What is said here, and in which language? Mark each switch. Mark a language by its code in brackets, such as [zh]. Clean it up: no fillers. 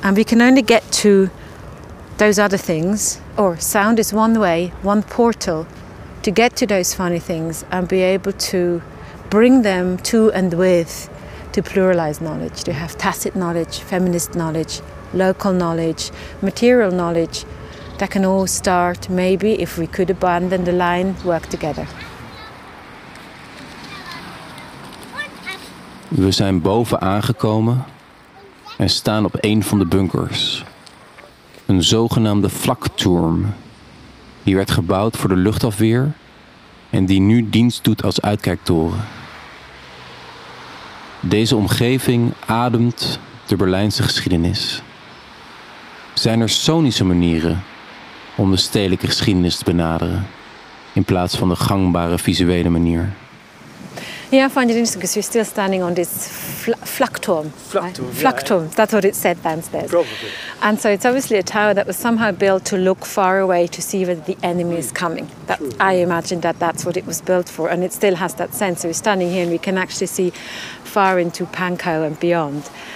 [en] And we can only get to those other things, or sound is one way, one portal, to get to those funny things and be able to bring them to and with to pluralize knowledge, to have tacit knowledge, feminist knowledge, local knowledge, material knowledge, that can all start, maybe, if we could abandon the line, work together. [nl] We zijn boven aangekomen en staan op een van de bunkers. Een zogenaamde vlakturm. Die werd gebouwd voor de luchtafweer en die nu dienst doet als uitkijktoren. Deze omgeving ademt de Berlijnse geschiedenis. Zijn er sonische manieren om de stedelijke geschiedenis te benaderen in plaats van de gangbare visuele manier? [en] Yeah, I find it interesting because we're still standing on this vlakturm. Vlakturm, yeah. That's what it said downstairs. Probably. And so it's obviously a tower that was somehow built to look far away to see whether the enemy is coming. That, true. I imagine that that's what it was built for, and it still has that sense. So we're standing here and we can actually see far into Pankow and beyond.